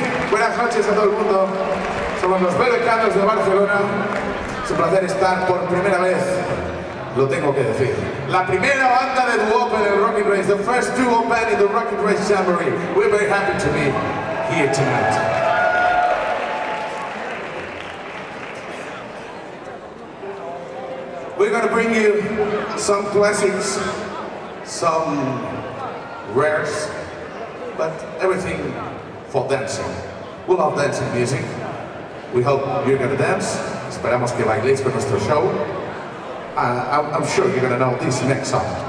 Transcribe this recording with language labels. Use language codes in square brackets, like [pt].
[es] buenas noches a todo el mundo. Somos los Bellecanos de Barcelona. Es un placer estar por primera vez, lo tengo que decir, la primera banda de duop en el Rocket Race, [en] the first duo band in the Rocket Race Jamboree. We're very happy to be here tonight. We're going to bring you some classics, some rares, but everything for dancing. We love dancing music. We hope you're going to dance. [es] Esperamos que bailéis con nuestro show. [en] I'm sure you're going to know this next song.